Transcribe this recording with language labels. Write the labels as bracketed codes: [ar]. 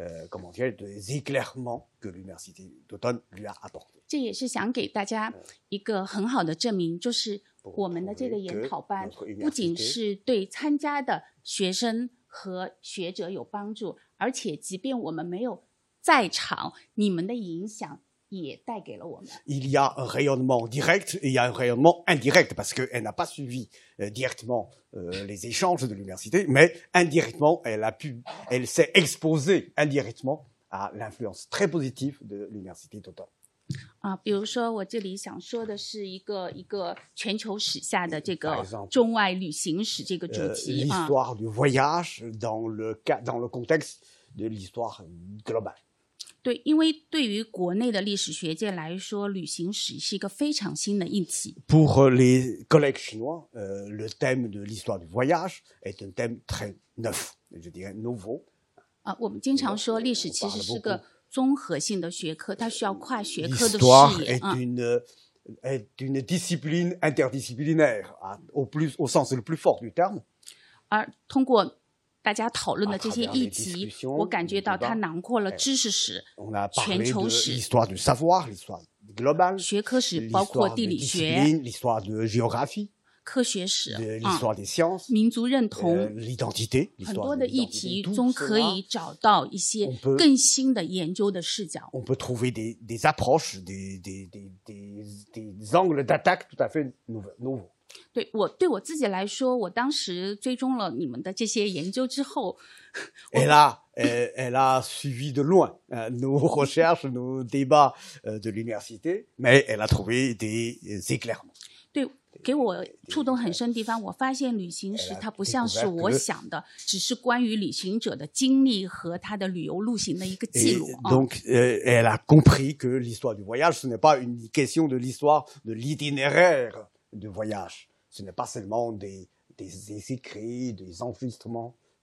[fr] Comment dire, des éclairements que l'université d'automne lui a apportés. [zh] 这也是想给大家一个很好的证明，就是我们的这个研讨班不仅是对参加的学生和学者有帮助，而且即便我们没有在场，你们的影响也带给了我们。 [fr] Il y a un rayonnement direct et il y a un rayonnement indirect parce qu'elle n'a pas suivi directement les échanges de l'université, mais indirectement, elle s'est exposée indirectement à l'influence très positive de l'université d'automne. [zh] 比如说我这里想说的是一个全球史下的这个中外旅行史这个主题。 [fr] L'histoire du voyage dans le contexte de l'histoire globale. [zh] 对，因为对于国内的历史学界来说，旅行史是一个非常新的议题。 [fr] Pour les collègues chinois, le thème de l'histoire du voyage est un thème très neuf, je dirais nouveau. [zh] 我们经常说历史其实是个综合性的学科，它需要跨学科的视野。 [fr] L'histoire est une discipline interdisciplinaire, au sens le plus fort du terme. [zh] 而通过大家讨论的这些议题，我感觉到它囊括了知识史、全球史、 [fr] l'histoire du savoir, l'histoire globale, [zh] 学科史，包括地理学、 [fr] l'histoire de géographie, [zh] 科学史、 [fr] l'histoire des sciences, [zh] 民族认同、 [fr] l'identité, [zh] 很多的议题中可以找到一些更新的研究的视角。 [fr] On peut trouver des approches, des angles d'attaque tout à fait nouveaux. [zh] 对我自己来说，我当时追踪了你们的这些研究之后， [fr] elle a suivi de loin nos recherches, nos débats de l'université, mais elle a trouvé des éclairements. [zh] 对，给我触动很深的地方，我发现旅行史它不像是我想的，只是关于旅行者的经历和他的旅游路行的一个记录。 [fr] Donc, elle a compris que l'histoire du voyage ce n'est pas une question de l'histoire de l'itinéraire. De voyage. Ce n'est pas seulement des écrits, des enregistrements.